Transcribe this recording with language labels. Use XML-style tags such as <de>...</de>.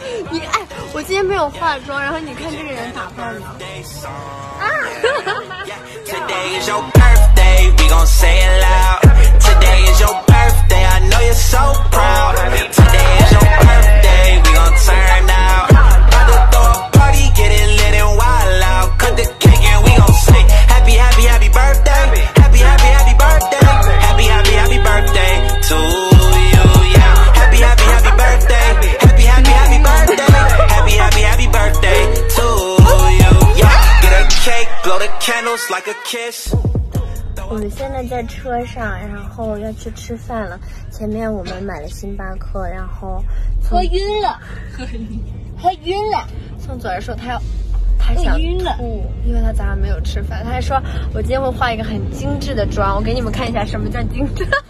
<zh>你哎，我今天没有化妆，然后你看这个人打扮的。</zh> <en>Today is your birthday, we gon' say it loud. Today is your birthday, I know you're so proud. Today is your birthday, we gon' turn out. About to throw a party, get it lit and wild out. Cut the cake and we gon' say happy, happy, happy birthday. Happy, happy, happy birthday. Happy, happy, happy birthday to you, yeah. Happy, happy, happy birthday. Happy, happy, happy birthday. Happy, happy, happy birthday to you, yeah. Get a cake, blow the candles like a kiss.</en> <zh>我们现在在车上，然后要去吃饭了。前面我们买了星巴克，然后喝晕了。宋左儿说他想吐，因为他早上没有吃饭。他还说我今天会化一个很精致的妆，我给你们看一下什么叫精致。</zh>